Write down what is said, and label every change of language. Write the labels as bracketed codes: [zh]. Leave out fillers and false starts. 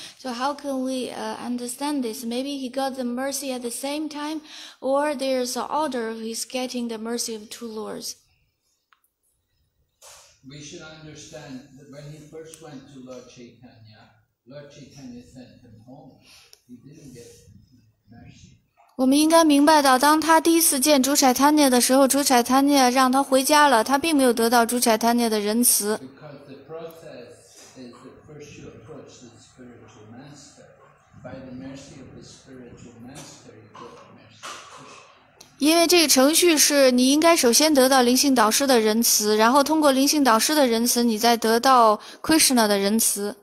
[en] So how can we understand this? Maybe he got the mercy at the same time, or there's an order of his getting the mercy of two lords. We should understand that when he first went to Lord Chaitanya sent him home. He didn't get mercy. [zh] 我们应该明白到，当他第一次见朱柴坦涅的时候，朱柴坦涅让他回家了，他并没有得到朱柴坦涅的仁慈。 [en] Because the process is that first you approach the spiritual master. By the mercy of the spiritual master, you get the mercy. [zh] 因为这个程序是你应该首先得到灵性导师的仁慈，然后通过灵性导师的仁慈，你再得到 Krishna 的仁慈。